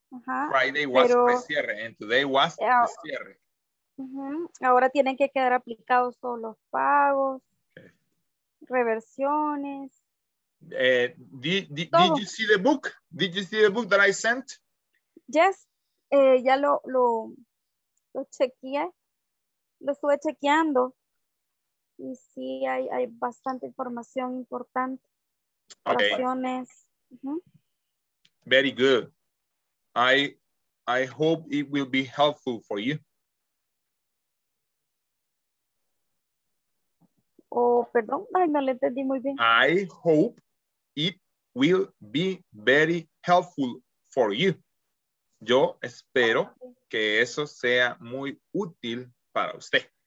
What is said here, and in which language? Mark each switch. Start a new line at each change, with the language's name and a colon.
English: Friday was pre-cierre and today was pre-cierre.
Spanish: Ahora tienen que quedar aplicados todos los pagos, reversiones.
English: Did you see the book? Did you see the book that I sent?
Spanish: Yes, ya lo chequeé, lo estuve chequeando. Y sí, hay bastante información importante. Reversiones.
English: Very good. I hope it will be helpful for you.
Spanish: Oh, perdón, ay, no le entendí muy bien.
English: I hope it will be very helpful for you.
Spanish: Yo espero que eso sea muy útil para usted.